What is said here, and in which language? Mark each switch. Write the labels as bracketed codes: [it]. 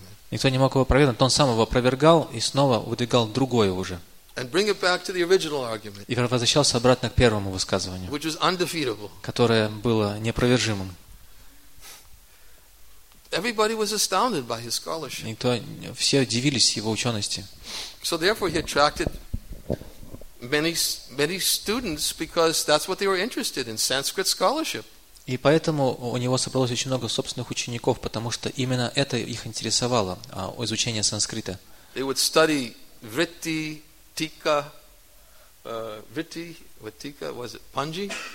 [ru] Никто не мог его опровергнуть, он сам его опровергал и снова выдвигал другое уже. [en] And bring it back to the original argument. [ru] И возвращался обратно к первому высказыванию, [en] which was undefeatable. [ru] Которое было неопровержимым. [en] Everybody was astounded by his scholarship. [ru] Никто, все удивились его учености. [en] So therefore he attracted many students because that's what they were interested in, Sanskrit scholarship. [ru] И поэтому у него собралось очень много собственных учеников, потому что именно это их интересовало, изучение санскрита. [en] They would study vritti, Tika, Vritti, Vatika, was it Panji?